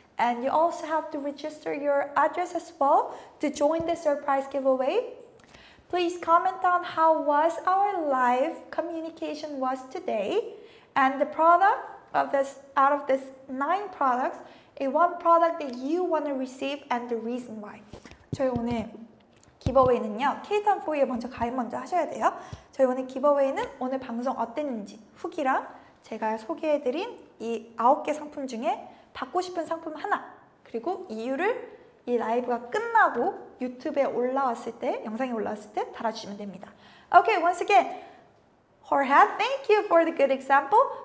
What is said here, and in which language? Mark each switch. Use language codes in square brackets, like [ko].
[en] And you also have to register your address as well to join the surprise giveaway. Please comment on how was our live communication was today. And the product of this, out of this 9 products, a one product that you want to receive and the reason why. [ko] 저희 오늘 giveaway는요, Ktown4u에 먼저 가입 먼저 하셔야 돼요. 저희 오늘 giveaway는 오늘 방송 어땠는지 후기랑 제가 소개해드린 이 9개 상품 중에 받고 싶은 상품 하나, 그리고 이유를 이 라이브가 끝나고 유튜브에 올라왔을 때, 영상에 올라왔을 때 달아주시면 됩니다. [en] Okay, once again, Jorge, thank you for the good example.